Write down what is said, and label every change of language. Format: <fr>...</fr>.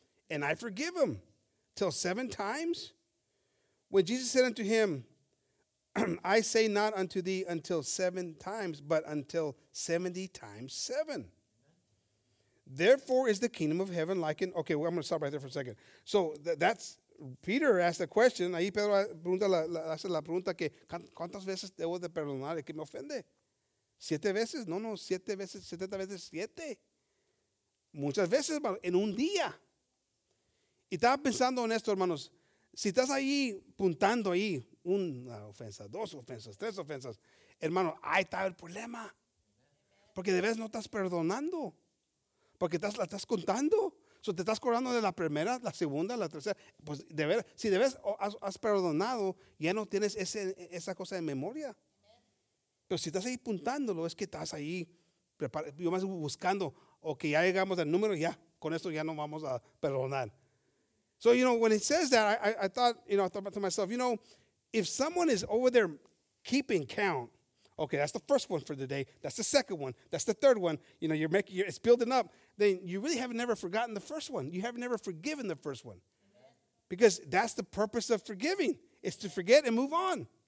<en>And I forgive him till seven times? When Jesus said unto him, I say not unto thee until seven times, but until 70 times seven. Therefore is the kingdom of heaven likened. Okay, well, I'm going to stop right there for a second. So that's Peter asked the question.</en> <es>Ahí Pedro pregunta la pregunta que ¿cuántas veces debo de perdonar el que me ofende? ¿Siete veces? No, siete veces, 70 veces, siete. Muchas veces, en un día. Y estaba pensando en esto, hermanos. Si estás ahí puntando ahí una ofensa, dos ofensas, tres ofensas, hermano, ahí está el problema. Porque de vez no estás perdonando. Porque estás, la estás contando. So, te estás acordando de la primera, la segunda, la tercera. Pues de vez, si de vez has perdonado, ya no tienes esa cosa de memoria. Pero si estás ahí puntándolo, es que estás ahí yo más buscando, o que ya llegamos al número, ya, con esto ya no vamos a perdonar.</es> <en>So, you know, when it says that, I thought to myself, you know, if someone is over there keeping count, okay, that's the first one for the day, that's the second one, that's the third one, you know, it's building up, then you really have never forgotten the first one. You have never forgiven the first one. Because that's the purpose of forgiving, is to forget and move on.</en>